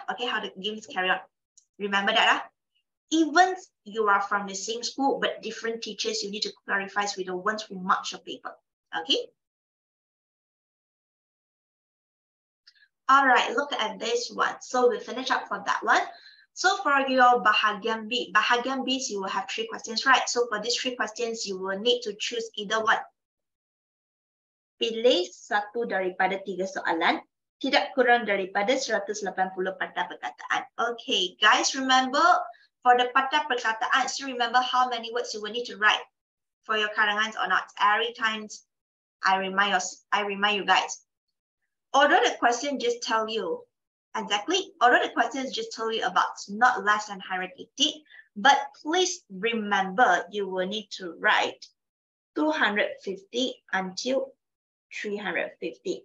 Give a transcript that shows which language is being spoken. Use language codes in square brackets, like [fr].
[en] Okay, how the games carry on. Remember that? Even you are from the same school, but different teachers, you need to clarify with the ones who match your paper, okay? All right, look at this one. So we finish up for that one. So for your bahagian B, bahagian B, you will have 3 questions, right? So for these 3 questions, you will need to choose either one. [ms] pilih satu daripada tiga soalan, tidak kurang daripada 180 patah perkataan. [en] Okay, guys, remember, for the patah perkataan, so remember how many words you will need to write for your karangans or not. Every time I remind you guys. Although the question just tell you, exactly, although the question just tell you about not less than 180, but please remember you will need to write 250 until 350.